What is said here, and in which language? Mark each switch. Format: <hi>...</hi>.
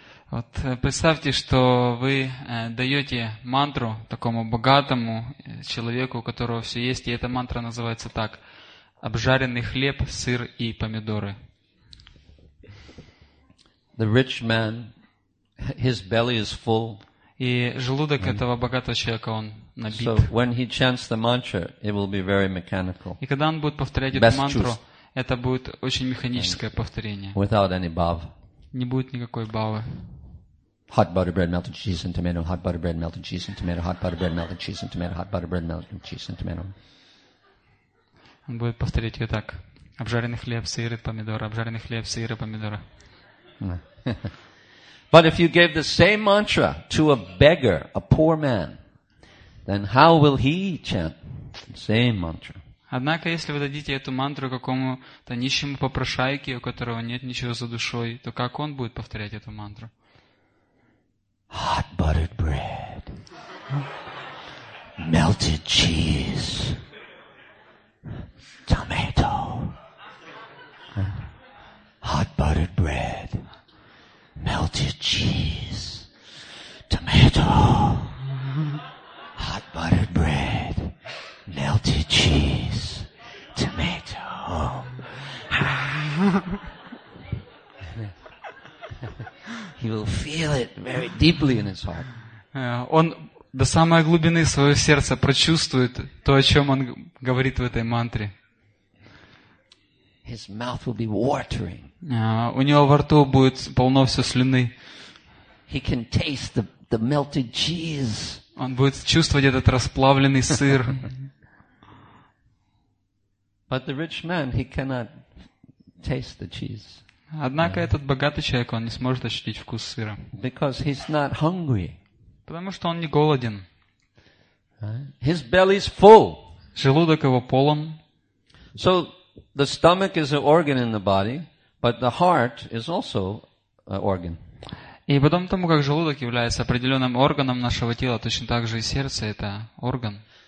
<ru>Вот представьте, что вы даете мантру такому богатому человеку, у которого все есть, и эта мантра называется так: обжаренный хлеб, сыр и помидоры.</ru> <en>The rich man, his belly is full.</en> <ru>И желудок этого богатого человека, он набит.</ru> <en>So when he chants the mantra, it will be very mechanical.</en> <ru>И когда он будет повторять эту мантру, это будет очень механическое повторение.</ru> <en>Without any bhava.</en> <ru>Не будет никакой бхавы.</ru> <en>Hot buttered bread, melted cheese and tomato. Hot buttered bread, melted cheese and tomato. Hot buttered bread, melted cheese and tomato. Hot buttered bread, melted cheese and tomato.</en> <ru>Он будет повторять ее так: обжаренный хлеб, сыр и помидоры. Обжаренный хлеб, сыр и помидоры.</ru> <en>But if you gave the same mantra to a beggar, a poor man, then how will he chant the same mantra?</en> <ru>Однако, если вы дадите эту мантру какому-то нищему попрошайке, у которого нет ничего за душой, то как он будет повторять эту мантру?</ru> <en>Hot buttered bread, melted cheese, tomato. Hot buttered bread, melted cheese, tomato. Hot buttered bread, melted cheese, tomato. He will feel it very deeply in his heart.</en> <ru>Он до самой глубины своего сердца прочувствует то, о чем он говорит в этой мантре.</ru> <en>His mouth will be watering.</en> <ru>У него во рту будет полно все слюны.</ru> <en>He can taste the melted cheese.</en> <ru>Он будет чувствовать этот расплавленный сыр.</ru> <en>But the rich man, he cannot taste the cheese.</en> <ru>Однако этот богатый человек, он не сможет ощутить вкус сыра.</ru> <en>Because he's not hungry.</en> <ru>Потому что он не голоден.</ru> <en>His belly's full.</en> <ru>Желудок его полон.</ru> <en>So the stomach is an organ in the body, but the heart is also an organ.</en> <ru>И потом, тому как желудок является определенным органом нашего тела, точно так же и сердце это орган.</ru>